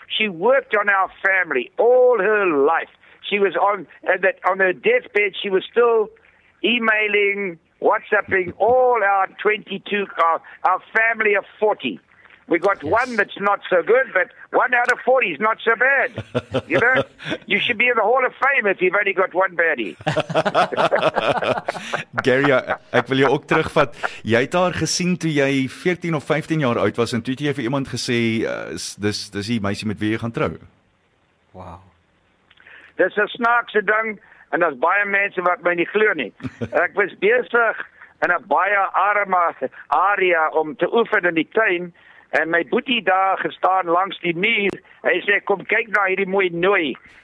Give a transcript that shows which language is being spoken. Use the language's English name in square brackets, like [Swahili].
[English] She worked on our family all her life. She was on her deathbed, she was still emailing, WhatsApping all our 22, our family of 40. We got one that's not so good, but one out of 40 is not so bad. You know, you should be in the Hall of Fame if you've only got one baddie. [Afrikaans] Gary, ek wil jou ook terugvat. Jy het haar gesien toe jy 14 of 15 jaar oud was, en toe het jy vir iemand gesê, dis die meisie met wie jy gaan trou. Wow. Dis 'n snaakse ding, en daar's baie mense wat my nie glo nie. Ek was besig in 'n baie arme area om te oefen in die tuin, en my boetie daar gestaan langs die muur, en hy sê, kom kyk na hierdie mooie nooi.